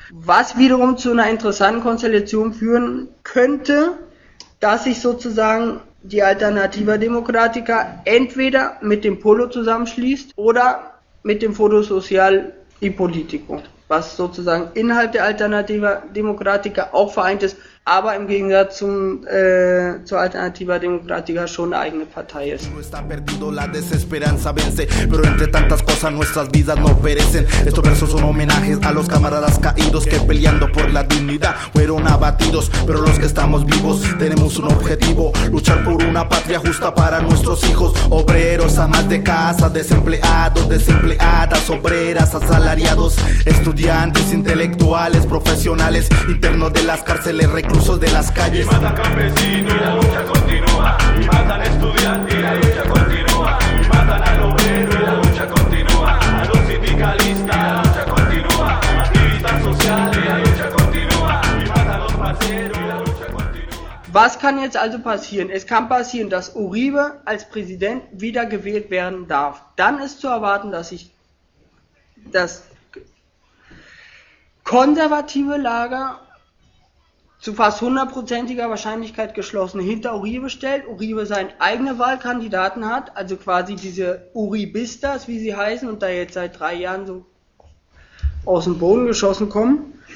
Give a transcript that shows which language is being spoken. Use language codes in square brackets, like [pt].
[de] Was wiederum zu einer interessanten Konstellation führen könnte, dass sich sozusagen die Alternativa Democratica entweder mit dem Polo zusammenschließt oder mit dem Foro Social y Politico, was sozusagen innerhalb der Alternativa Democratica auch vereint ist, aber im Gegensatz zur Alternativa Democratica schon eine eigene Partei ist. [es] No está perdido, la desesperanza vence, pero entre tantas cosas nuestras vidas no perecen. Estos versos son homenajes a los camaradas caídos que peleando por la dignidad fueron abatidos. Pero los que estamos vivos tenemos un objetivo, luchar por una patria justa para nuestros hijos. Obreros, amas de casa, desempleados, desempleadas, obreras, asalariados, estudiantes, intelectuales, profesionales, internos de las cárceles, reclusos de las calles. Y matan campesinos y la lucha continúa. Y matan estudiantes y la lucha continúa. Y matan al obrero y la lucha continúa. A los sindicalistas y la lucha continúa. Activistas sociales y la lucha continúa. Y matan los parceros. [de] Was kann jetzt also passieren? Es kann passieren, dass Uribe als Präsident wiedergewählt werden darf. Dann ist zu erwarten, dass sich das konservative Lager zu fast 100%iger Wahrscheinlichkeit geschlossen hinter Uribe stellt, Uribe seinen eigenen Wahlkandidaten hat, also quasi diese Uribistas, wie sie heißen, und da jetzt seit 3 Jahren so aus dem Boden geschossen kommen.